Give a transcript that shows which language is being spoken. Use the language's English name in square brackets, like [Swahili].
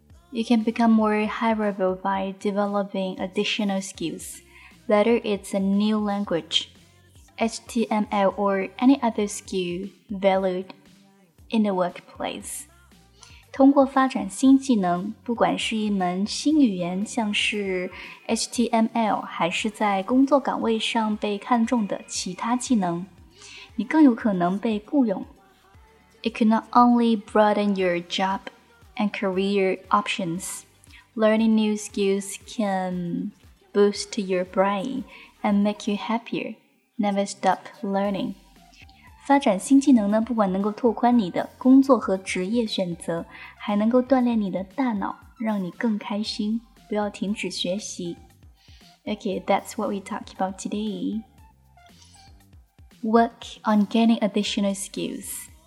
[English] You can become more high level by developing additional skills, whether it's a new language, HTML or any other skill valued in the workplace。 [Chinese] 通过发展新技能，不管是一门新语言，像是 HTML， 还是在工作岗位上被看重的其他技能，你更有可能被雇佣。 [English] It could not only broaden your job and career options. Learning new skills can boost your brain and make you happier. Never stop learning. [Chinese] 发展新技能呢，不管能够拓宽你的工作和职业选择，还能够锻炼你的大脑，让你更开心，不要停止学习。 [English] Okay, that's what we talk about today. Work on gaining additional skills.